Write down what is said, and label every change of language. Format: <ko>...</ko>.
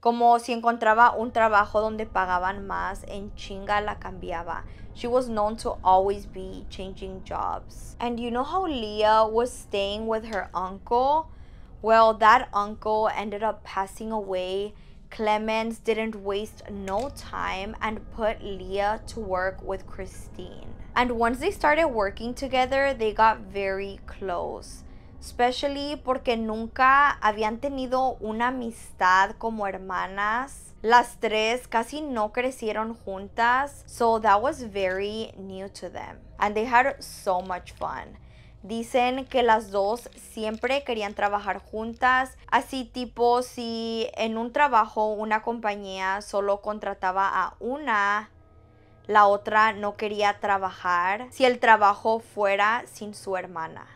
<es>Como si encontraba un trabajo donde pagaban más, en chinga la cambiaba.</es> <en>She was known to always be changing jobs. And you know how Leah was staying with her uncle? Well, that uncle ended up passing away. Clemens didn't waste no time and put Leah to work with Christine. And once they started working together, they got very close. Especially</en> <es>porque nunca habían tenido una amistad como hermanas. Las tres casi no crecieron juntas.</es> <en>So that was very new to them. And they had so much fun.</en> <es>Dicen que las dos siempre querían trabajar juntas, así tipo si en un trabajo una compañía solo contrataba a una, la otra no quería trabajar si el trabajo fuera sin su hermana.</es>